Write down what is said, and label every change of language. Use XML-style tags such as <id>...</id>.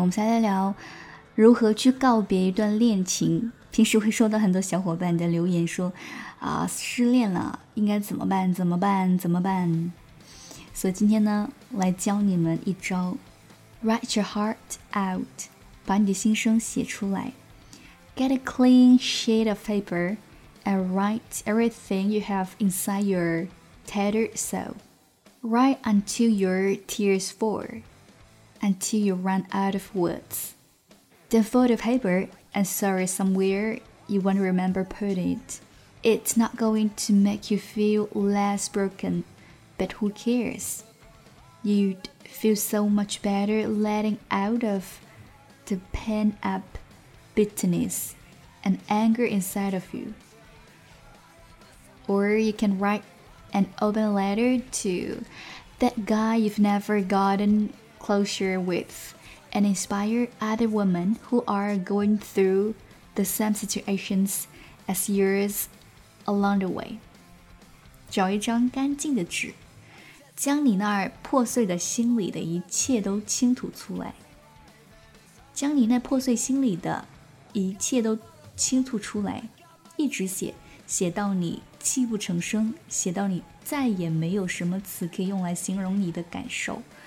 <zh>我们现在聊如何去告别一段恋情。平时会收到很多小伙伴的留言说失恋了应该怎么办怎么办怎么办，所以今天呢来教你们一招。</zh> <en>Write your heart out，</en> <zh>把你的心声写出来。</zh> <en>Get a clean sheet of paper and write everything you have inside your tattered soulWrite until your tears fall, until you run out of words. Then fold the paper and store it somewhere you won't remember put it. It's not going to make you feel less broken, but who cares? You'd feel so much better letting out of the pent-up bitterness and anger inside of you. Or you can writeAn open letter to that guy you've never gotten closer with and inspire other women who are going through the same situations as yours along the way.</en> <zh>找一张干净的纸，将你那儿破碎的心里的一切都倾吐出来。将你那破碎心里的一切都倾吐出来，一直写，写到你泣不成声，写到你再也没有什么词可以用来形容你的感受。</zh>